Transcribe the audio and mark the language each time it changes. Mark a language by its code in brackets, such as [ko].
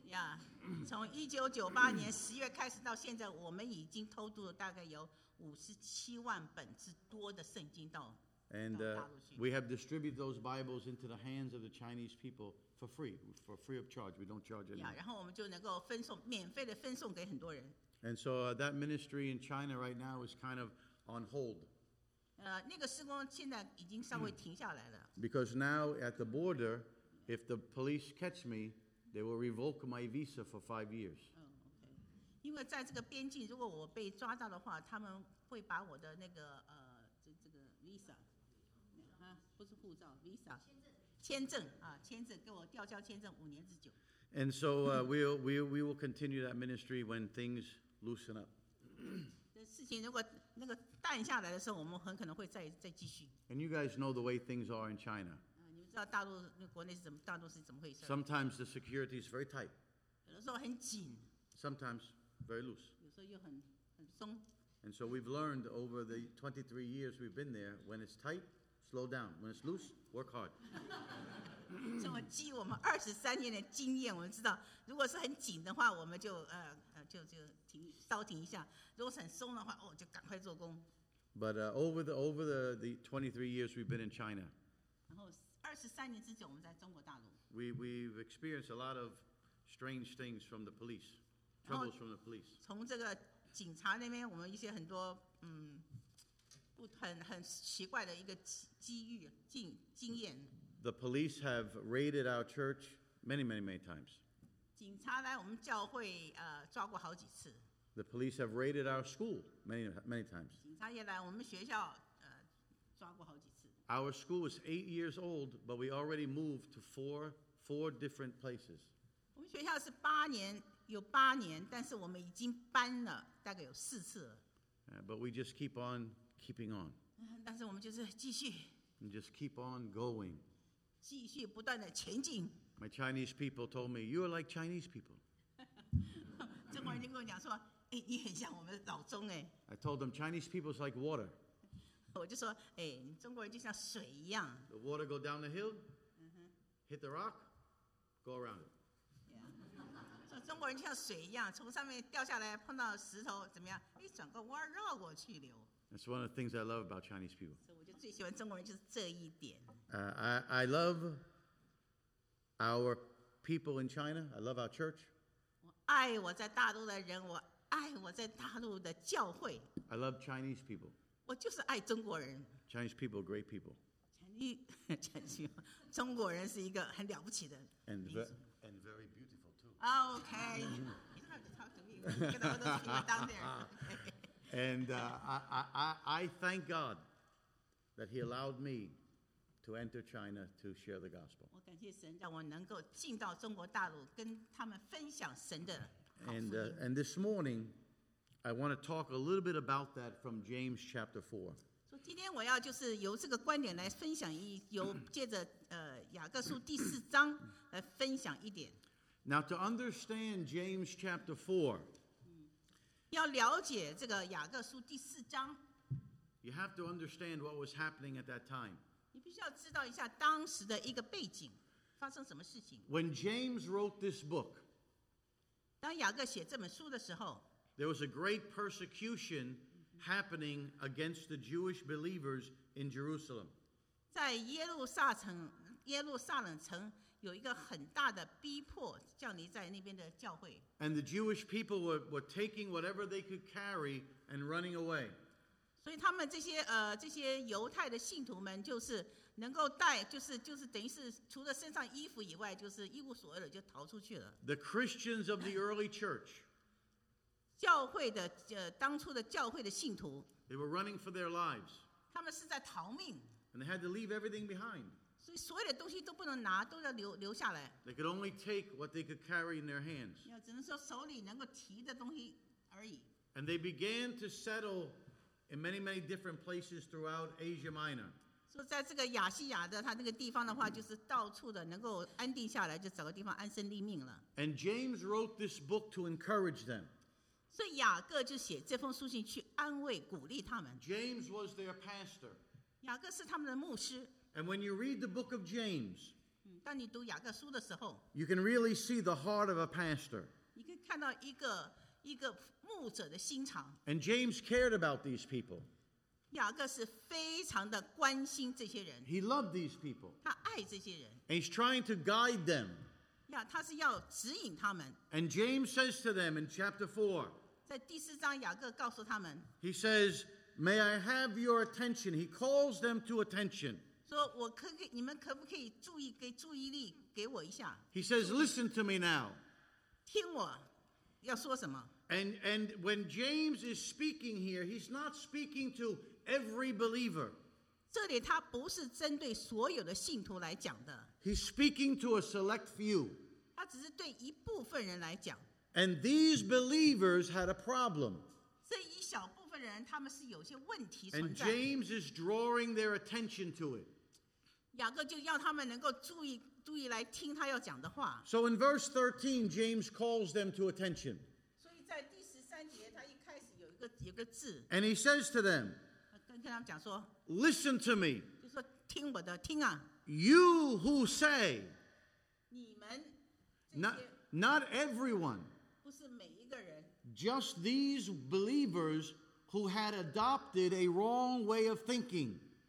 [zh] Yeah, 从1998年10月开始到现在，我们已经偷渡了大概有57万本之多的圣经到大陆去。 [en] And we have distributed those Bibles into the hands of the Chinese people. For free of charge, we don't charge anything. [zh] Yeah, 然后我们就能够分送免费的分送给很多人。 [en] And so that ministry in China right now is kind of on hold. [zh] 那个施工现在已经稍微停下来了。 [en] Because now at the border, if the police catch me, they will revoke my visa for 5 years. Okay. [zh] 因为在这个边境，如果我被抓到的话，他们会把我的那个这个 visa， 啊，不是护照 ，visa。签证给我吊销签证 5年之久。 [en] And so we will continue that ministry when things loosen up. [zh] 这事情如果那个淡下来的时候，我们很可能会再继续。 [en] And you guys know the way things are in China. [zh] 你们知道大陆那国内是怎么，大陆是怎么回事 [en] ？Sometimes the security is very tight. [zh] 有的时候很紧。 [en] Sometimes very loose. [zh] 有时候又很松。 [en] And so we've learned over the 23 years we've been there when it's tight. Slow down. When it's loose, work hard. [zh] 这么基于我们23年的经验，我们知道，如果是很紧的话，我们就停，稍停一下；如果是很松的话，哦，就赶快做工。 [en] But over the 23 years we've been in China. [zh] 然后23年之久，我们在中国大陆。 [en] We've experienced a lot of strange things from the police, troubles from the police. [zh] 从这个警察那边，我们一些很多很奇怪的一个机遇经验。 [en] The police have raided our church many, many, many times. [zh] 警察来我们教会抓过好几次。 [en] The police have raided our school many, many times. [zh] 警察也来我们学校抓过好几次。 [en] Our school is 8 years old, but we already moved to four different places. [zh] 我们学校是八年，有八年，但是我们已经搬了大概有四次了。 [en] But we just keep on. Keeping on. [zh] 但是我们就是继续。 [en] And just keep on going. [zh] 继续不断的前进。 [en] My Chinese people told me, you are like Chinese people. [zh] 中国人就跟我讲说，哎，你很像我们老中哎。 [en] I told them Chinese people is like water. [zh] 我就说，哎，中国人就像水一样。 [en] The water go down the hill, hit the rock, go around it. Yeah. [zh] 说中国人就像水一样，从上面掉下来，碰到石头怎么样？哎，转个弯绕过去流。 [en] That's one of the things I love about Chinese people. [zh] 所以我就最喜欢中国人就是这一点。 [en] I love our people in China. I love our church. [zh] 我爱我在大陆的人，我爱我在大陆的教会。 [en] I love Chinese people. [zh] 我就是爱中国人。 [en] Chinese people are great people. [zh] Chinese, 中国人是一个很了不起的民族。 [en] And very beautiful too. Okay. You don't have to talk to me. Get all those people down there. And I thank God that He allowed me to enter China to share the gospel. [zh] 我感谢神，让我能够进到中国大陆，跟他们分享神的好福音。 [en] And this morning. I want to talk a little bit about that from James chapter 4. [zh] So, 今天我要就是由这个观点来分享一，由借着雅各书第四章来分享一点。 [en] Now, to understand James chapter 4, [zh] 要了解这个雅各书第四章， [en] you have to understand what was happening at that time. [zh] 你必须要知道一下当时的一个背景，发生什么事情。 [en] When James wrote this book, [zh] 当雅各写这本书的时候， [en] There was a great persecution happening against the Jewish believers in Jerusalem. [zh] 在耶路撒冷城有一个很大的逼迫降临在那边的教会。 [en] And the Jewish people were taking whatever they could carry and running away. [zh] 所以他们这些犹太的信徒们就是能够带就是等于是除了身上衣服以外就是一无所有的就逃出去了。 [en] The Christians of the early church. [zh] 教会的当初的教会的信徒 [en] they were running for their lives. [zh] 他们是在逃命 [en] and they had to leave everything behind. [zh] 所以所有的东西都不能拿，都要留下来。 [en] They could only take what they could carry in their hands. [zh] 只能说手里能够提的东西而已。 [en] And they began to settle in many, many different places throughout Asia Minor. [zh] 所以在这个亚细亚的他那个地方的话，就是到处的能够安定下来，就找个地方安身立命了。 [en] And James wrote this book to encourage them. [zh] 所以雅各就写这封书信去安慰鼓励他们。 [en] James was their pastor. [zh] 雅各是他们的牧师。 [en] And when you read the book of James, [zh] 当你读雅各书的时候， [en] you can really see the heart of a pastor. [zh] 你可以看到一个牧者的心肠。 [en] And James cared about these people. [zh] 雅各是非常的关心这些人。 [en] He loved these people. [zh] 他爱这些人。 [en] And he's trying to guide them. [zh] Yeah, 他是要指引他们。 [en] And James says to them in chapter 4, [zh] 在第四章雅各告诉他们, [en] he says, may I have your attention? He calls them to attention. [zh] 说我可以,你们可不可以注意,给注意力给我一下? [en] He says, listen to me now. [zh] 听我要说什么? [en] And when James is speaking here, he's not speaking to every believer. [zh] 这里他不是针对所有的信徒来讲的。 [en] He's speaking to a select few. [zh] 他只是对一部分人来讲。 [en] And these believers had a problem. [zh] 这一小部分人他们是有些问题存在。 [en] And James is drawing their attention to it. [zh] 雅各就要他们能够注意来听他要讲的话。 [en] So in verse 13, James calls them to attention. [zh] 所以在第十三节他一开始有个字。 [en] And he says to them,Listen to me. [zh] 就说听我的，听啊。 [en] You who say, [zh] 你们这些 [en] not everyone, [zh] 不是每一个人 [en] just these believers who had adopted a wrong way of thinking.